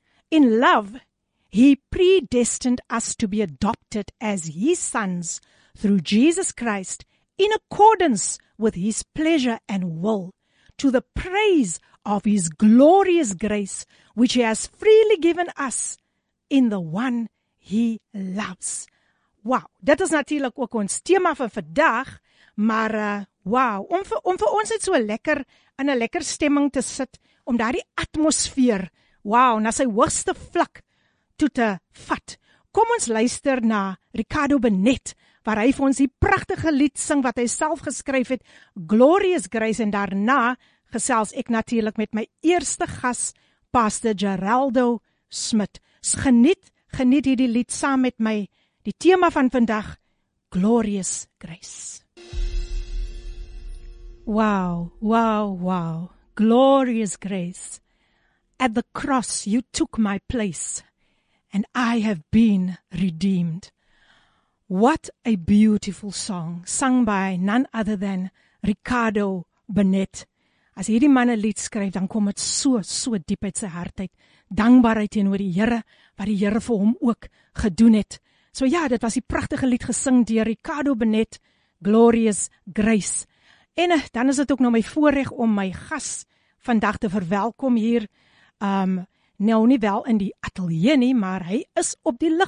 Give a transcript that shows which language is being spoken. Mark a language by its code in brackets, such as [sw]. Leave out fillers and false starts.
[en] In love, he predestined us to be adopted as his sons through Jesus Christ, in accordance with his pleasure and will, to the praise of his glorious grace, which he has freely given us in the one he loves. [af] Wow, dit is natuurlik ook ons tema vir vandag, maar wow, om vir ons net so lekker in 'n lekker stemming te sit, om daardie atmosfeer, wow, na sy hoogste vlak toe te vat. Kom ons luister na Ricardo Benet, waar hy vir ons die pragtige lied sing wat hy self geskryf het, Glorious Grace, en daarna gesels ek natuurlik met my eerste gas, Pastor Geraldo Smit. Geniet hierdie lied saam met my, die tema van vandag, Glorious Grace. Wow, Glorious Grace. [en] At the cross you took my place, and I have been redeemed. What a beautiful song, sung by none other than Ricardo Benet. [af] As hierdie man 'n lied skryf, dan kom dit so diep uit sy hart uit. Dankbaarheid teenoor die Here, wat die Here vir hom ook gedoen het. So ja, dit was die pragtige lied gesing deur Ricardo Benet, Glorious Grace. En dan is dit ook nou my voorreg om my gas vandag te verwelkom hier. Nou nie wel in die ateljee nie, maar hy is op die lig.